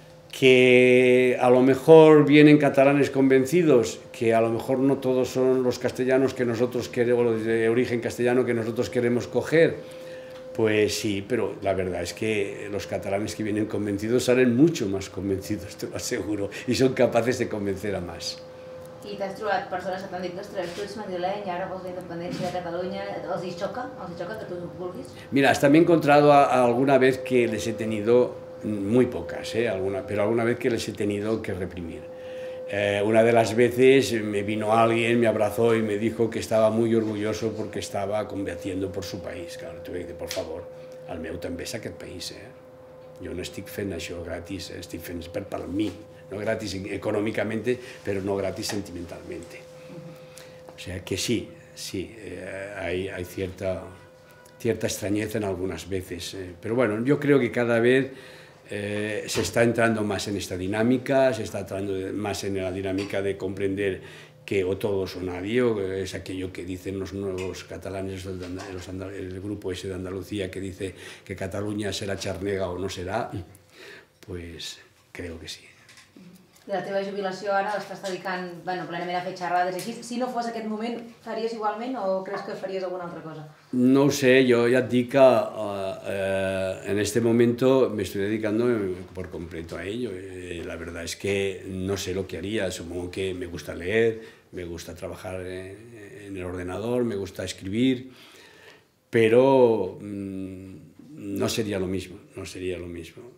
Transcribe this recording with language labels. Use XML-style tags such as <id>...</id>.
<es>Que a lo mejor vienen catalanes convencidos, que a lo mejor no todos son los castellanos que nosotros queremos, los de origen castellano que nosotros queremos coger, pues sí, pero la verdad es que los catalanes que vienen convencidos salen mucho más convencidos, te lo aseguro, y son capaces de convencer a más.</es> <ca>I t'has trobat persones que t'han dit, ostres, tu ets madrileny, ara vols la independència de Catalunya, els hi xoca? Els hi xoca que tu no vulguis?</ca> <es>Mira, hasta me he encontrado alguna vez que les he tenido, muy pocas, pero alguna vez que les he tenido que reprimir. Una de las veces me vino alguien, me abrazó y me dijo que estaba muy orgulloso porque estaba combatiendo por su país. Claro, te voy a decir, por favor,</es> <ca>el meu també és aquest país, Jo no estic fent això gratis, estic fent per mi, no gratis econòmicamente,</ca> <es>pero no gratis sentimentalmente. O sea que sí, sí, hay cierta extrañeza en algunas veces, pero bueno, yo creo que cada vez se está entrando más en esta dinámica, se está entrando más en la dinámica de comprender que o todos o nadie, o es aquello que dicen los nuevos catalanes, el grupo ese de Andalucía que dice que Cataluña será charnega o no será, pues creo que sí.</es> <ca>De la teva jubilació ara estàs dedicant, bueno, plenament a fer xerrades i així. Si no fos aquest moment, faries igualment o creus que faries alguna altra cosa? No ho sé, jo ja et dic que</ca> <es>en este momento me estoy dedicando por completo a ello. La verdad es que no sé lo que haría, supongo que me gusta leer, me gusta trabajar en el ordenador, me gusta escribir, pero no sería lo mismo, no sería lo mismo.</es>